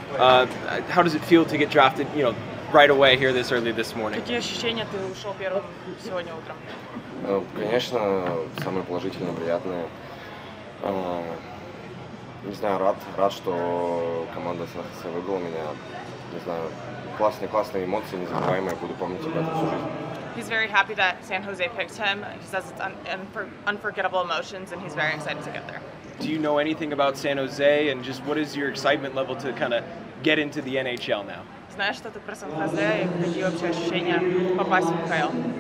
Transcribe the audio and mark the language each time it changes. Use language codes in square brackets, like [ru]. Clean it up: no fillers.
[en] How does it feel to get drafted, you know, right away here this early this morning? [ru] Какие ощущения ты ушел первым сегодня утром? Конечно, самое положительное, приятное. Не знаю, рад, что команда Сахаса выбрала меня. Не знаю, классные эмоции, незабываемые, буду помнить об этом всю жизнь. [en] He's very happy that San Jose picked him. He says it's unforgettable emotions, and he's very excited to get there. Do you know anything about San Jose, and just what is your excitement level to kind of get into the NHL now? [ru] Знаешь что-то про Сан-Хосе и какие вообще ощущения попасть в НХЛ?